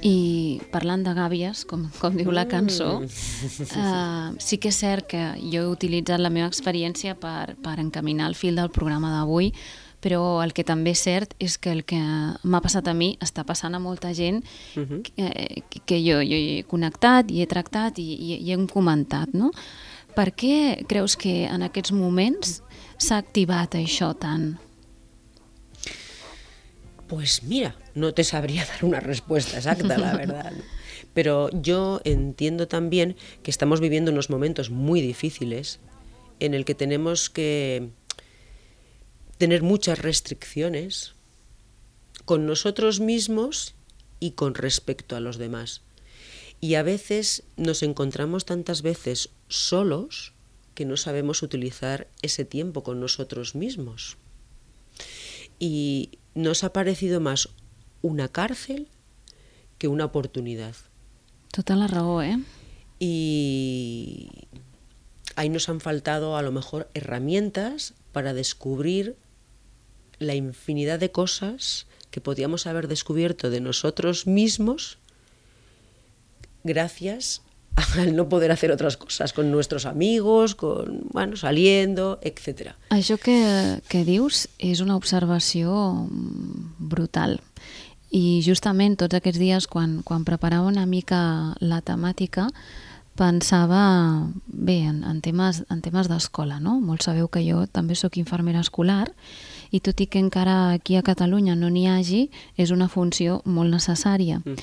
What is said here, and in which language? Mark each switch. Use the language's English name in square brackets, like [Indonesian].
[Catalan] I parlant de gàbies, com diu la cançó, sí que és cert que jo he utilitzat la meva experiència per encaminar el fil del programa d'avui, però el que també és cert és que el que m'ha passat a mi està passant a molta gent que jo he connectat i he tractat i hem comentat, no? Per què creus que en aquests moments s'ha activat això tant? [Spanish] Pues mira, no te sabría dar una respuesta exacta, la verdad. Pero yo entiendo también que estamos viviendo unos momentos muy difíciles en el que tenemos que tener muchas restricciones con nosotros mismos y con respecto a los demás. Y a veces nos encontramos tantas veces solos que no sabemos utilizar ese tiempo con nosotros mismos. Y nos ha parecido más una cárcel que una oportunidad. Total la razón, ¿eh? Y ahí nos han faltado a lo mejor herramientas para descubrir la infinidad de cosas que podíamos haber descubierto de nosotros mismos gracias al no poder hacer otras cosas con nuestros amigos, con, bueno, saliendo, etc. [Catalan] Això que dius és una observació brutal. I justament tots aquests dies, quan preparava una mica la temàtica, pensava, bé, en temes d'escola, no? Molts sabeu que jo també sóc infermera escolar i tot i que encara aquí a Catalunya no n'hi hagi, és una funció molt necessària.